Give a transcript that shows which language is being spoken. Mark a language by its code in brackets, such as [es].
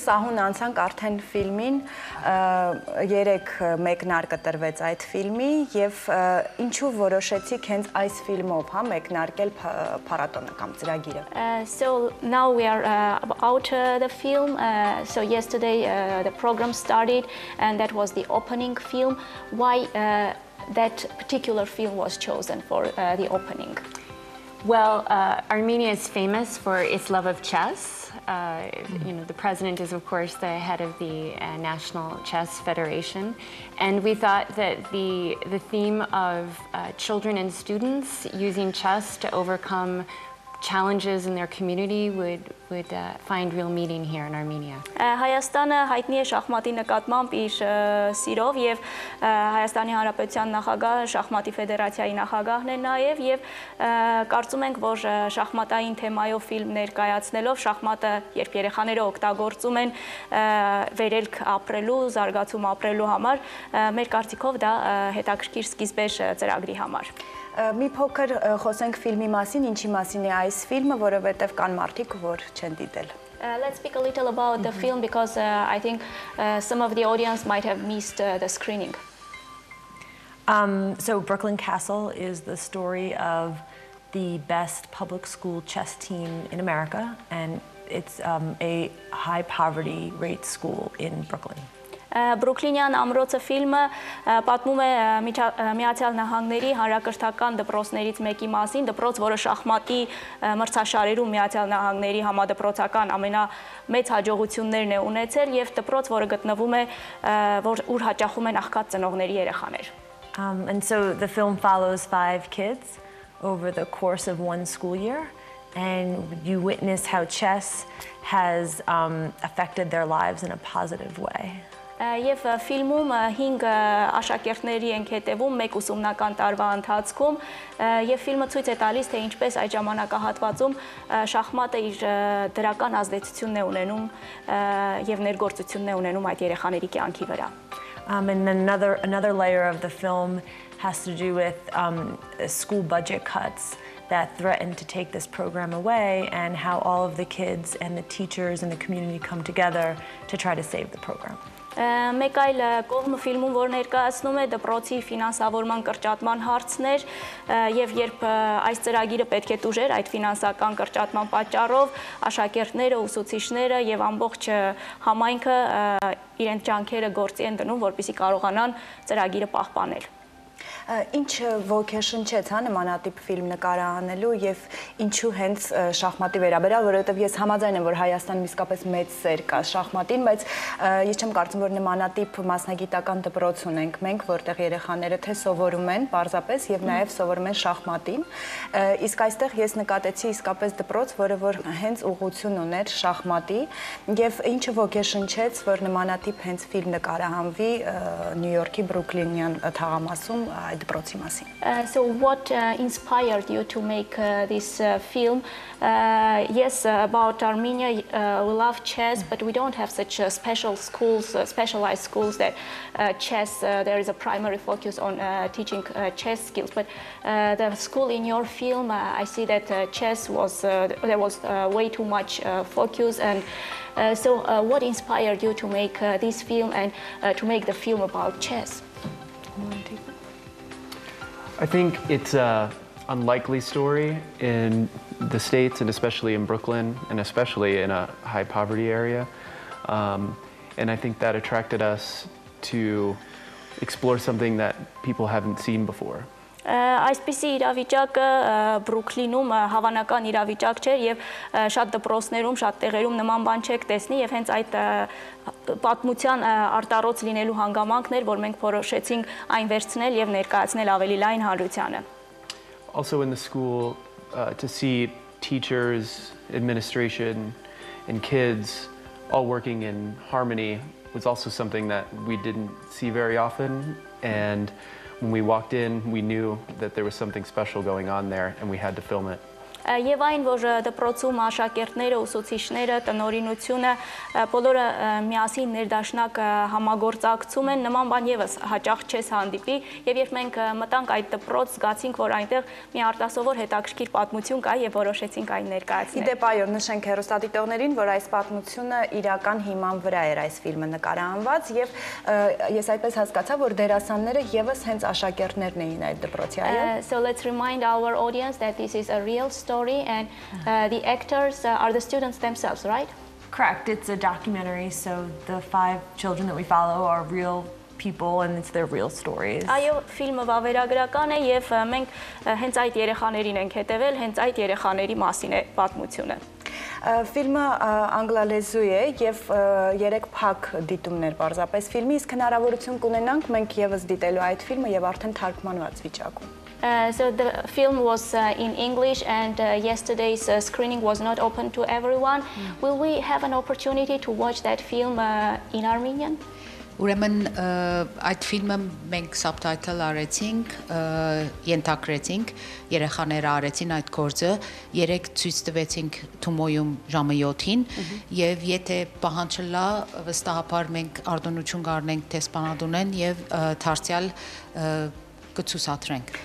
[hy] Եվ սահուն անցանք արդեն ֆիլմին, 3 մեկնարկը տրվեց այդ ֆիլմի, եւ ինչու որոշեցիք հենց այս ֆիլմով, հա, մեկնարկել փառատոնը կամ ծրագիրը։ [en] So now we are out the film, so yesterday the program started and that was the opening film. Why that particular film was chosen for the opening? Well, Armenia is famous for its love of chess. You know, the president is, of course, the head of the National Chess Federation. And we thought that the theme of children and students using chess to overcome challenges in their community would find real meaning here in Armenia. [hy] Հայաստանը հայտնի է շախմատի նկատմամբ իր սիրով եւ Հայաստանի Հանրապետության նախագահը շախմատի ֆեդերացիայի նախագահն է նաեւ եւ կարծում ենք որ շախմատային թեմայով ֆիլմ ներկայացնելով շախմատը երբ երեխաները օգտագործում են վերելք ապրելու զարգացում ապրելու համար մեր կարծիքով դա հետաքրքիր սկիզբ է ծրագրի համար. Մի փոքր խոսենք ֆիլմի մասին, ինչի մասին է այս ֆիլմը, որովհետև կան մարդիկ, որ չեն դիտել։ [en] Let's speak a little about the film because I think some of the audience might have missed the screening. So Brooklyn Castle is the story of the best public school chess team in America and it's a high poverty rate school in Brooklyn. [hy] Բրուքլինյան ամրոցը ֆիլմը պատմում է Միացյալ Նահանգների հանրակրթական դպրոցներից մեկի մասին, դպրոց, որը շախմատի մրցաշարերում Միացյալ Նահանգների համադպրոցական ամենամեծ հաջողություններն է ունեցել եւ դպրոց, որը գտնվում է ուր հաճախում են աղքատ ծնողների երեխաներ. [en] And so the film follows 5 kids over the course of one school year and you witness how chess has affected their lives in a positive way. [hy] Եվ ֆիլմում 5 աշակերտների ենք հետևում մեկ ուսումնական տարվա ընթացքում եւ ֆիլմը ցույց է տալիս թե ինչպես այդ ժամանակահատվածում շախմատը իր դրական ազդեցությունն է ունենում եւ ներգործությունն է ունենում այդ երեխաների կյանքի վրա. [en] Another layer of the film has to do with school budget cuts that threatened to take this program away and how all of the kids and the teachers and the community come together to try to save the program. [hy] Մեկ այլ կողմը ֆիլմում, որ ներկայացնում է դպրոցի ֆինանսավորման կրճատման հարցներ, եւ երբ այս ծրագիրը պետք է տուժեր այդ ֆինանսական կրճատման պատճառով, աշակերտները, ուսուցիչները եւ ամբողջ համայնքը իրենց ջանքերը գործի են դնում, որպեսզի կարողանան ծրագիրը պահպանել։ Ինչ ոգեշնչեց հա նմանատիպ ֆիլմ նկարահանելու եւ ինչու հենց շախմատի վերաբերյալ, որովհետեւ ես համաձայն եմ, որ Հայաստանում իսկապես մեծ սեր կա շախմատին, բայց ես չեմ կարծում, որ նմանատիպ մասնագիտական դպրոց ունենք մենք, որտեղ երեխաները թե սովորում են պարզապես եւ նաեւ սովորում են շախմատին։ Իսկ այստեղ ես նկատեցի իսկապես դպրոց, որը որ հենց ուղղություն ուներ շախմատի եւ ինչ ոգեշնչեց, որ նմանատիպ հենց ֆիլմ նկարահանվի Նյու Յորքի Բրուքլինյան թաղամասում այդ դպրոցի մասին։ [en] So what inspired you to make this film? Yes, about Armenia, we love chess, but we don't have such special schools, specialized schools that chess, there is a primary focus on teaching chess skills. But the school in your film, I see that chess was, there was way too much focus. And so what inspired you to make this film and to make the film about chess? I think it's an unlikely story in the States and especially in Brooklyn and especially in a high poverty area. And I think that attracted us to explore something that people haven't seen before. [hy] Այսպիսի իրավիճակը Բրուքլինում հավանական իրավիճակ չէ եւ շատ դպրոցներում, շատ տեղերում նման բան չեք տեսնի եւ հենց այդ պատմության արտառոց լինելու հանգամանքներ, որ մենք փորոշեցինք այն վերցնել եւ ներկայացնել ավելի լայն հանրությանը. [en] Also in the school to see teachers, administration and kids all working in harmony was also something that we didn't see very often and when we walked in we knew that there was something special going on there and we had to film it. [hy] Եվ այն, որ դպրոցում աշակերտները, ուսուցիչները, տնորինությունը բոլորը միասին ներդաշնակ համագործակցում են, նման բան եւս հաճախ չես հանդիպի, եւ երբ մենք մտանք այդ դպրոց, զգացինք, որ այնտեղ մի արտասովոր հետաքրքիր պատմություն կա եւ որոշեցինք այն ներկայացնել։ Իդեպ այո, նշենք հեռուստադիտողներին, որ այս պատմությունը իրական հիման վրա էր այս ֆիլմը նկարահանված եւ ես այդպես հասկացա, որ դերասանները եւս հենց աշակերտներն էին այդ դպրոցի, այո։ [en] So let's remind our audience that this is a real story and the actors are the students themselves, right? Correct. It's a documentary, so the 5 children that we follow are real people and it's their real stories. [hy] Այո, ֆիլմը վավերագրական է եւ մենք հենց այդ երեխաներին ենք հետեւել, հենց այդ երեխաների մասին է պատմությունը։ Ֆիլմը անգլալեզու է եւ 3 փակ դիտումներ պարզապես ֆիլմի, իսկ հնարավորություն կունենանք մենք եւս դիտելու այդ ֆիլմը եւ արդեն թարգմանված վիճակում։ [en] So the film was in English, and yesterday's screening was not open to everyone. Mm. Will we have an opportunity to watch that film in Armenian? [hy] Ուրեմն այդ ֆիլմը մենք սաբտայթլ արեցինք, ենթակրեցինք, երեխաները արեցին այդ գործը, երեք ցույց տվեցինք Թումոյում ժամը 7-ին, եւ եթե պահանջել է վստահաբար մենք արդոնություն կառնենք թե սպանադունեն եւ դարձյալ կցուսադրենք։